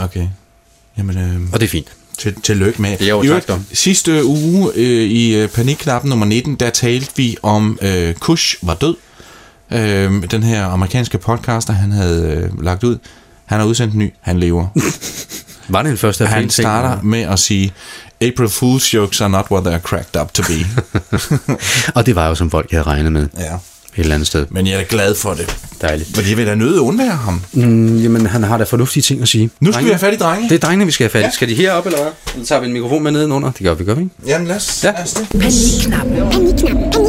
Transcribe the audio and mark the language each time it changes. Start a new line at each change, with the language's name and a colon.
Danish: Okay. Jamen, og det er fint. Tillykke med. Det er jo tak. Sidste uge i panikknappen nummer 19, der talte vi om Kush var død. Den her amerikanske podcaster, han havde lagt ud. Han har udsendt en ny, han lever. Var det den første af han starter ting, med at sige...
English: April Fool's jokes are not what they're cracked up to be.
Danish: Og det var jo, som folk havde regnet med. Ja. Et eller andet sted. Men jeg er glad for det. Dejligt. Fordi jeg vil da nøde at undvære ham. Jamen, han har da fornuftige ting at sige. Nu skal drenge. Vi have fat i drenge. Det er drengene, vi skal have fat i. Ja. Skal de herop, eller hvad? Eller tager vi en mikrofon med nedenunder? Det gør vi, ikke? Jamen, lad os det.